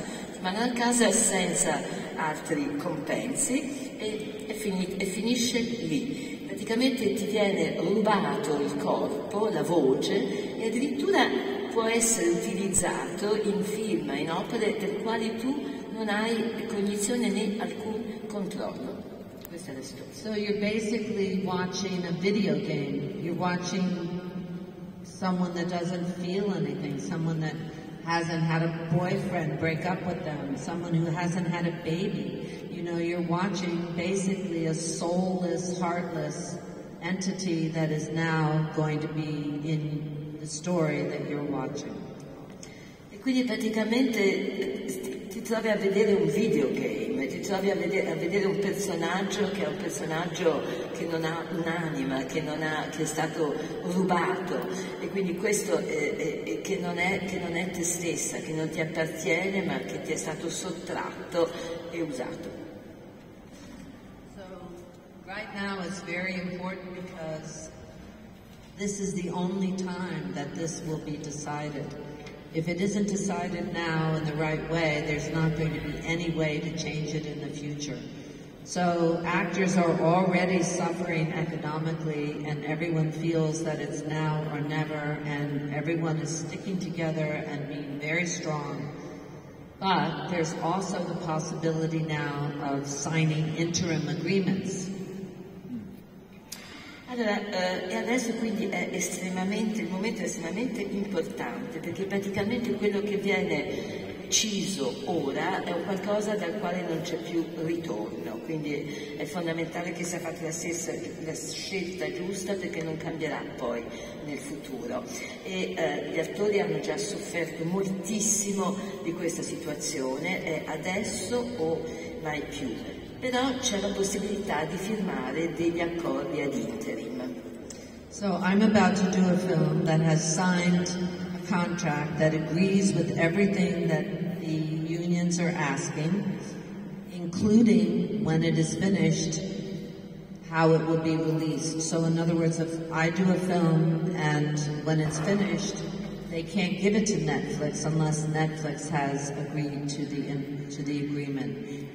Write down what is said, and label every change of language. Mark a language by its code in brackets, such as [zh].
[it] Ti mandano a casa senza altri compensi e finisce lì. Praticamente ti viene rubato il corpo, la voce, e addirittura può essere utilizzato in film, in opere per quali tu non hai cognizione né alcun controllo. Questa è la situazione. [en] So you're basically watching a video game. You're watching someone that doesn't feel anything, someone that hasn't had a boyfriend break up with them, someone who hasn't had a baby. You know, you're watching basically a soulless, heartless entity that is now going to be in the story that you're watching. [it] E quindi praticamente ti trovi a vedere un videogame, ti trovi a vedere un personaggio che è un personaggio che non ha un'anima, che è stato rubato, e quindi questo che non è te stessa, che non ti appartiene, ma che ti è stato sottratto e usato. [en] Right now it's very important because this is the only time that this will be decided. If it isn't decided now in the right way, there's not going to be any way to change it in the future. So actors are already suffering economically, and everyone feels that it's now or never, and everyone is sticking together and being very strong. But there's also the possibility now of signing interim agreements. [it] Allora, e adesso quindi il momento è estremamente importante, perché praticamente quello che viene deciso ora è un qualcosa dal quale non c'è più ritorno, quindi è fondamentale che sia fatta la scelta giusta, perché non cambierà poi nel futuro. E gli attori hanno già sofferto moltissimo di questa situazione, è adesso o mai più. Però c'è la possibilità di firmare degli accordi ad interim. [en] So I'm about to do a film that has signed a contract that agrees with everything that the unions are asking, including when it is finished, how it will be released. So in other words, if I do a film and when it's finished, they can't give it to Netflix unless Netflix has agreed to the agreement.